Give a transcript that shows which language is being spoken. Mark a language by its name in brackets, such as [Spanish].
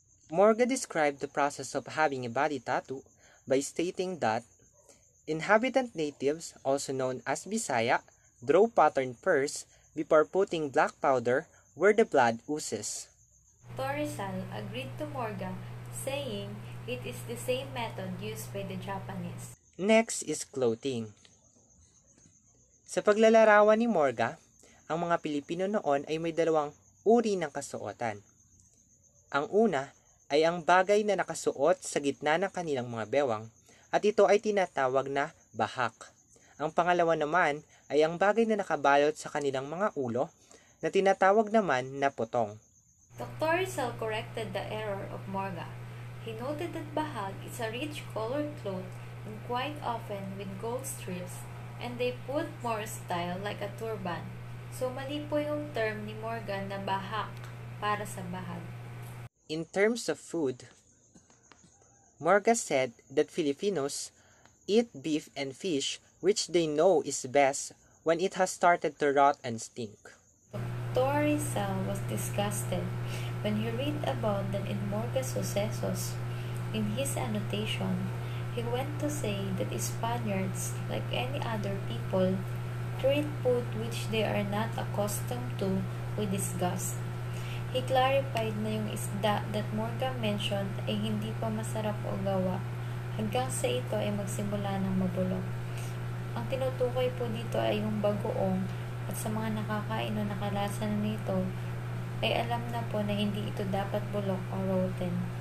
[English] Morga described the process of having a body tattoo by stating that inhabitant natives, also known as Bisaya, draw pattern first before putting black powder where the blood oozes. Dr. Rizal agreed to Morga, saying it is the same method used by the Japanese. Next is clothing. [Filipino] Sa paglalarawan ni Morga, ang mga Pilipino noon ay may dalawang uri ng kasuotan. Ang una ay ang bagay na nakasuot sa gitna ng kanilang mga bewang at ito ay tinatawag na bahak. Ang pangalawa naman ay ang bagay na nakabalot sa kanilang mga ulo na tinatawag naman na putong. [English] Dr. Rizal corrected the error of Morga. He noted that bahag is a rich colored cloth and quite often with gold strips and they put more style like a turban. [Filipino] So mali po yung term ni Morga na bahak para sa bahag. [English] In terms of food, Morga said that Filipinos eat beef and fish which they know is best when it has started to rot and stink. Dr. Rizal was disgusted when he read about that in Morga's Sucesos. In his annotation, he went to say that Spaniards, like any other people, treat food which they are not accustomed to with disgust. He He clarified [Filipino] na yung isda [English] that Morga mentioned [Filipino] ay hindi pa masarap o gawa hanggang sa ito ay magsimula ng mabulok. Ang tinutukoy po dito ay yung bagoong at sa mga nakakain o nakalasa na nito ay alam na po na hindi ito dapat bulok o rotten.